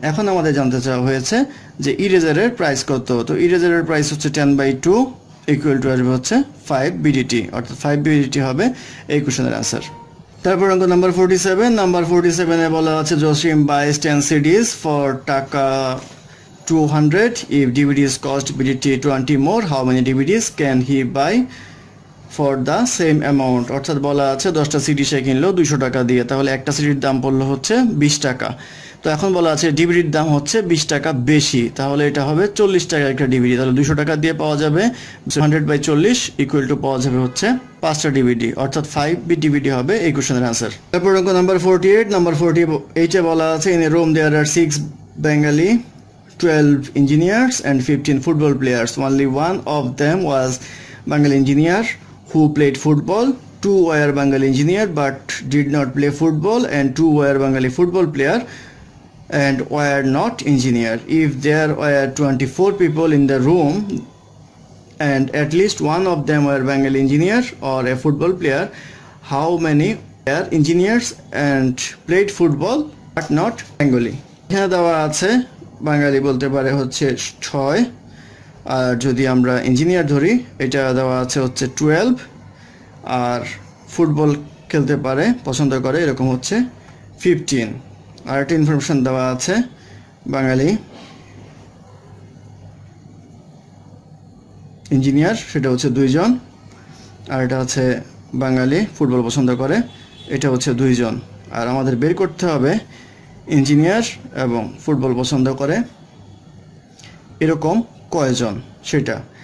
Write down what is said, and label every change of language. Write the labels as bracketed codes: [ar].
[bn] এখন আমাদের জানতে চাওয়া হয়েছে যে ইরেজারের প্রাইস কত, তো ইরেজারের প্রাইস হচ্ছে 10/2=, আসবে হচ্ছে 5 BDT, অর্থাৎ 5 BDT হবে এই কোশ্চেনের আনসার। তারপর অঙ্ক নাম্বার 47 এ বলা আছে জসিম [en] buys 10 CDs for [bn] টাকা [en] 200. If DVDs cost BDT 20 more, how many DVDs can he buy for the same amount? [bn] অর্থাৎ বলা আছে 10টা সিডি সে কিনলো 200 টাকা দিয়ে, তাহলে একটা সিডির দাম পড়লো হচ্ছে 20 টাকা। তো এখন বলা আছে ডিভিডির দাম হচ্ছে 20 টাকা বেশি, তাহলে এটা হবে 40 টাকা একটা ডিভিডি, তাহলে 200 টাকা দিয়ে পাওয়া যাবে 100 বাই 40 ইকুয়াল টু পাওয়া যাবে হচ্ছে 5টা ডিভিডি, অর্থাৎ 5 বি ডিভিডি হবে এই কোশ্চেনের আনসার। তারপর অঙ্ক নাম্বার 48, নাম্বার 48 এ বলা আছে [en] In a room there are 6 Bengali 12 engineers and 15 football players, only one of them was Bengali engineer who played football, two were Bengali engineer but did not play football and two were Bengali football player and were not engineer. If there were 24 people in the room and at least one of them were Bengali engineer or a football player, how many were engineers and played football but not Bengali? [bn] এখানে দেওয়া আছে বাঙালি বলতে পারে হচ্ছে 6, আর যদি আমরা engineer ধরি এটা দেওয়া আছে হচ্ছে 12, আর ফুটবল খেলতে পারে পছন্দ করে এরকম হচ্ছে 15। আর একটা ইনফরমেশান দেওয়া আছে বাঙালি ইঞ্জিনিয়ার সেটা হচ্ছে 2 জন, আর এটা আছে বাঙালি ফুটবল পছন্দ করে এটা হচ্ছে 2 জন, আর আমাদের বের করতে হবে ইঞ্জিনিয়ার এবং ফুটবল পছন্দ করে এরকম কয়জন সেটা।